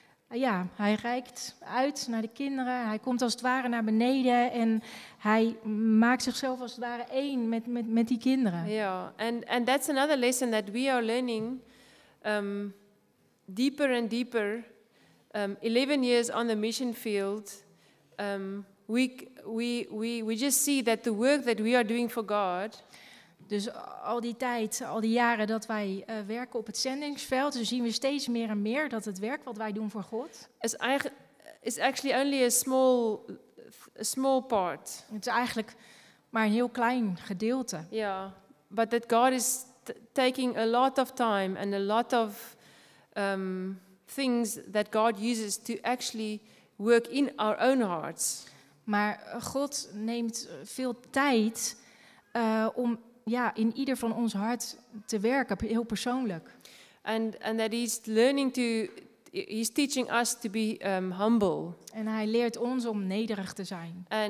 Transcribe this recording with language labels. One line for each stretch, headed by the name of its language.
Dutch: Ja, hij reikt uit naar de kinderen. Hij komt als het ware naar beneden en hij maakt zichzelf als het ware één met die kinderen. Ja, yeah.
English: And that's another lesson that we are learning deeper and deeper. 11 years on the mission field, we just see that the work that we are doing for God.
Dutch: Dus al die tijd, al die jaren dat wij werken op het zendingsveld, dus zien we steeds meer en meer dat het werk wat wij doen voor God
English: is actually only a small part.
Dutch: Het is eigenlijk maar een heel klein gedeelte.
English: Ja, yeah, but that God is taking a lot of time and a lot of things that God uses to actually work in our own hearts.
Dutch: Maar God neemt veel tijd om in ieder van ons hart te werken, heel persoonlijk.
English: And that he's learning to, he's teaching us to be humble.
Dutch: En hij leert ons om nederig te zijn.